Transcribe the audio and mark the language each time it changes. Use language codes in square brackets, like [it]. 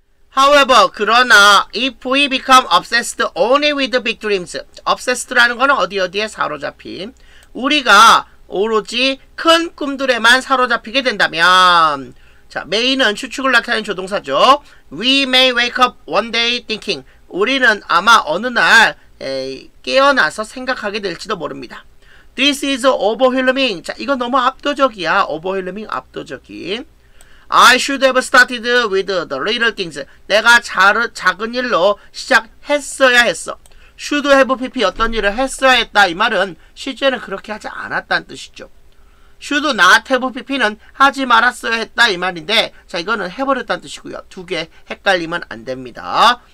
[ko] However, 그러나 [en] if we become obsessed only with big dreams, [ko] obsessed라는 거는 어디어디에 사로잡힌, 우리가 오로지 큰 꿈들에만 사로잡히게 된다면, 자, may는 추측을 나타내는 조동사죠. [en] We may wake up one day thinking, [ko] 우리는 아마 어느 날 깨어나서 생각하게 될지도 모릅니다. [en] This is overwhelming. [ko] 자, 이건 너무 압도적이야. Overwhelming, 압도적인. [en] I should have started with the little things. [ko] 내가 작은 일로 시작했어야 했어. Should have PP 어떤 일을 했어야 했다. 이 말은 실제는 그렇게 하지 않았다는 뜻이죠. Should not have PP는 하지 말았어야 했다. 이 말인데, 자, 이거는 해버렸다는 뜻이고요. 두 개 헷갈리면 안 됩니다.